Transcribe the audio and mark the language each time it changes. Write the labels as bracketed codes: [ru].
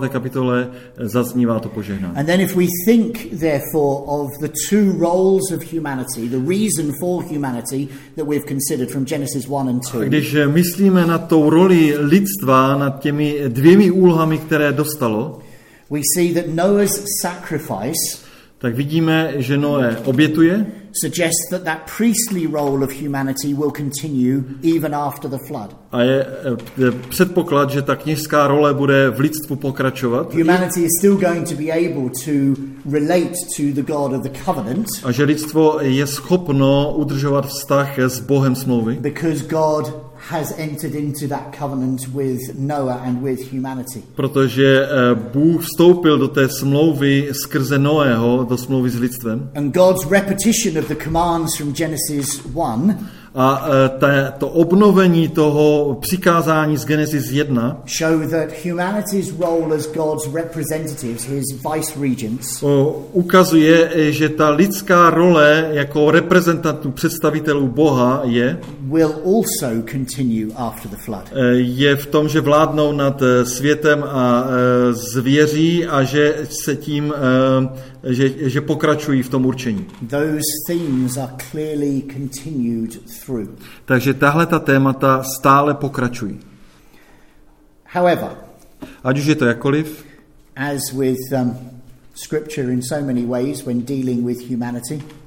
[cs] kapitole zaznívá to požehnání. [en] And then if we think therefore of the two roles of humanity, the reason for humanity that we've considered from Genesis 1 and 2. [cs] A když myslíme na tou roli lidstva, nad těmi dvěmi úlohami, které dostalo, [en] we see that Noah's sacrifice. [cs] Tak vidíme, že Noé obětuje. [en] Suggest that that priestly role of humanity will continue even after the flood. [cs] A je předpoklad, že ta kněžská role bude v lidstvu pokračovat. [en] Humanity is still going to be able to relate to the God of the covenant. [cs] A že lidstvo je schopno udržovat vztah s Bohem smlouvy. [en] Because God has entered into that covenant with Noah and with humanity. [cs] Protože Bůh vstoupil do té smlouvy skrze Noého, do smlouvy s lidstvem. [en] And God's repetition of the commands from Genesis 1. [cs] A to obnovení toho přikázání z Genesis 1 [en] show that humanity's role as God's representatives, his vice regents, [cs] ukazuje, že ta lidská role jako reprezentantů představitelů Boha je [en] will also continue after the flood. [cs] Je v tom, že vládnou nad světem a zvěří a že se tím že pokračují v tom určení. [en] Those themes are clearly continued through. [cs] Takže tahle ta témata stále pokračují. [en] However, [cs] ať už je to jakoliv, [en] as with scripture in so many ways when dealing with humanity,